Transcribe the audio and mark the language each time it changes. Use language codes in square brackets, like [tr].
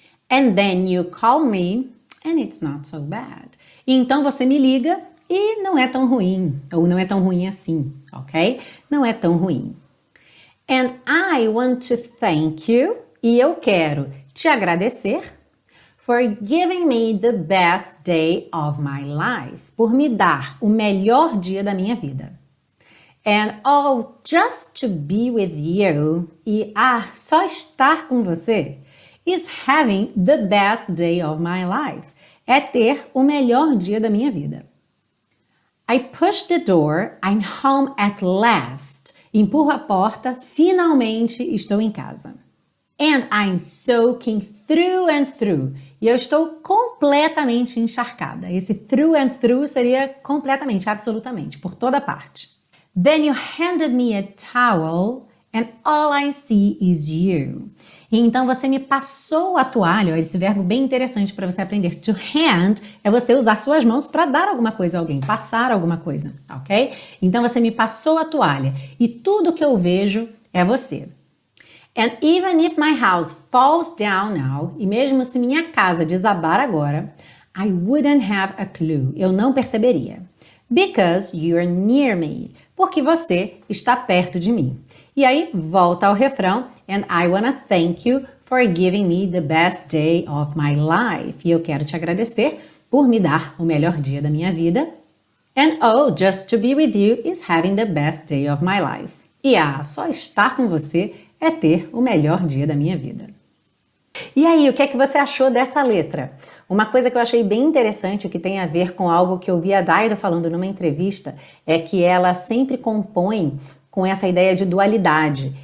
[en] And then you call me and it's not so bad. [pt] E então você me liga e não é tão ruim, ou não é tão ruim assim, ok? Não é tão ruim. [en] And I want to thank you, [pt] e eu quero te agradecer, [en] for giving me the best day of my life, [pt] por me dar o melhor dia da minha vida. [en] And oh, just to be with you, [pt] e ah, só estar com você, [en] is having the best day of my life, [pt] é ter o melhor dia da minha vida. [en] I push the door, I'm home at last. [pt] Empurro a porta, finalmente estou em casa. [en] And I'm soaking through and through. [pt] E eu estou completamente encharcada. Esse through and through seria completamente, absolutamente, por toda parte. [en] Then you handed me a towel and all I see is you. [pt] E então você me passou a toalha, esse verbo bem interessante para você aprender. To hand é você usar suas mãos para dar alguma coisa a alguém, passar alguma coisa, ok? Então você me passou a toalha e tudo que eu vejo é você. [en] And even if my house falls down now, [pt] e mesmo se minha casa desabar agora, [en] I wouldn't have a clue, [pt] eu não perceberia. [en] Because you're near me, [pt] porque você está perto de mim. E aí, volta ao refrão. [en] And I wanna thank you for giving me the best day of my life. [pt] E eu quero te agradecer por me dar o melhor dia da minha vida. [en] And oh, just to be with you is having the best day of my life. [pt] E ah, só estar com você é ter o melhor dia da minha vida. E aí, o que é que você achou dessa letra? Uma coisa que eu achei bem interessante, que tem a ver com algo que eu vi a Dairo falando numa entrevista, é que ela sempre compõe com essa ideia de dualidade.